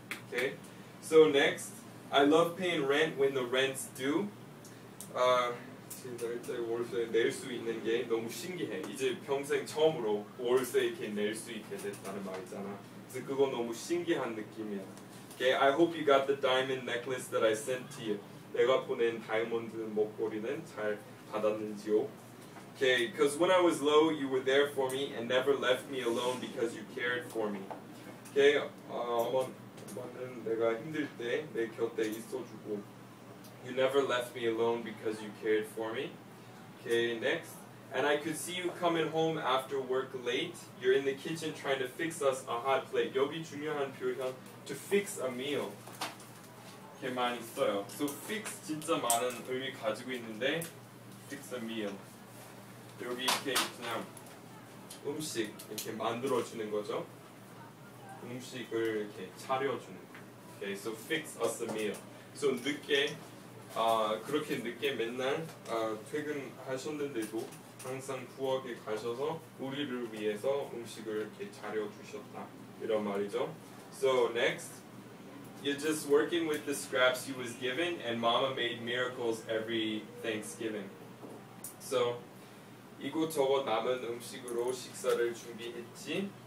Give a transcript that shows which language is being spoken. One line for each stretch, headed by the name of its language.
English: Okay. So next, I love paying rent when the rent's due.
Korean: 월세 낼 수 있는 게 너무 신기해. 이제 평생 처음으로 월세 이렇게 낼 수 있게 됐다는 말이잖아. 그래서 그거 너무 신기한 느낌이야.
English: Okay, I hope you got the diamond necklace that I sent to you.
Korean: 내가 보낸 다이아몬드 목걸이는 잘 받았는지요?
English: Okay, because when I was low, you were there for me and never left me alone because you cared for me.
Korean: Okay, 엄마는 내가 힘들 때 내 곁에 있어주고.
English: You never left me alone because you cared for me. Okay, next. And I could see you coming home after work late. You're in the kitchen trying to fix us a hot plate.
Korean: 여기 중요한 표현,
English: to fix a meal.
Korean: 이렇게 많이 써요. So fix 진짜 많은 의미 가지고 있는데, fix a meal. 여기 이렇게 그냥 음식 이렇게 만들어주는 거죠. 음식을 이렇게 차려주는 거.
English: Okay, so fix us a meal.
Korean: So 늦게 그렇게 늦게 맨날 퇴근하셨는데도 항상 부엌에 가셔서 우리를 위해서 음식을 이렇게 차려주셨다 이런 말이죠.
English: So next, You're just working with the scraps you was given, and Mama made miracles every Thanksgiving.
Korean: So, 이곳저곳 남은 음식으로 식사를 준비했지.